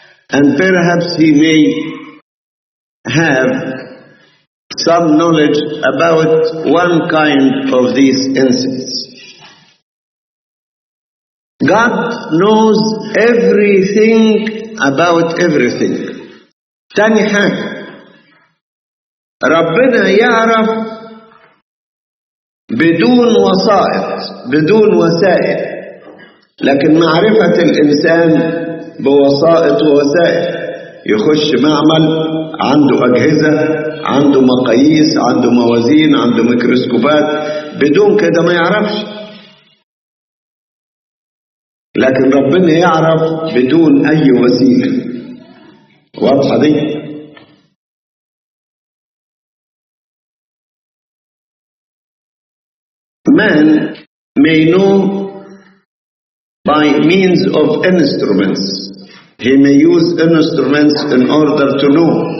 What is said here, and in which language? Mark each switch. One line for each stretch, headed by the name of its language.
English: And perhaps he may have some knowledge about one kind of these insects. God knows everything about everything.
Arabic: تاني حاجة، ربنا يعرف بدون وسائط، بدون وسائل، لكن معرفة الإنسان بوسائط ووسائل. يخش معمل عنده أجهزة، عنده مقاييس، عنده موازين، عنده ميكروسكوبات، بدون كده ما يعرفش. لكن ربنا يعرف بدون أي وسيلة. واضحة دي؟
English: Man may know by means of instruments. He may use instruments in order to know.